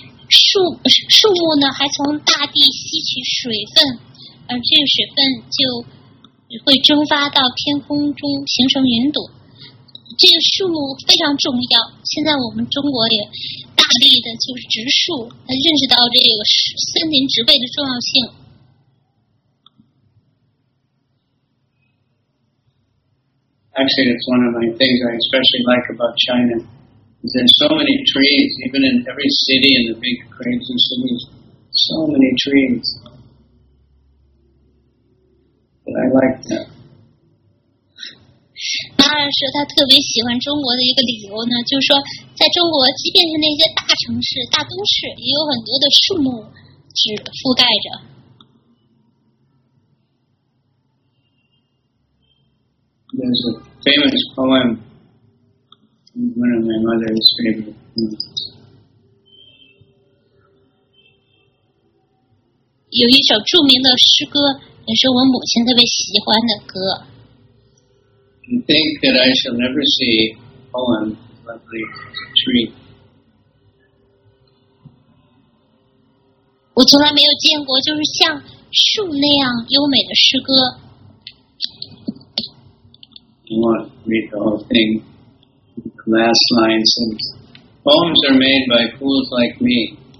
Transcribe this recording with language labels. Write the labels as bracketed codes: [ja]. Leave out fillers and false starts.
[zh] 树木呢，还从大地吸取水分，而这个水分就会蒸发到天空中，形成云朵。这个树非常重要，现在我们中国也大力的就是植树，认识到这个森林植被的重要性。 [en] Actually, it's one of my things I especially like about China. There's so many trees, even in every city in the big crazy cities, so many trees. But I like that. [zh] 马老师他特别喜欢中国的一个理由呢，就是说在中国即便是那些大城市大都市也有很多的树木只覆盖着。 [en] There's a famous poem, one of my mother's favorite poems. [zh] 有一首著名的诗歌，也是我母亲特别喜欢的歌。 [en] I think that I shall never see a poem lovely as a tree. [zh] 我从来没有见过就是像树那样优美的诗歌。 [en] I won't read the whole thing. The last line says, poems are made by fools like me.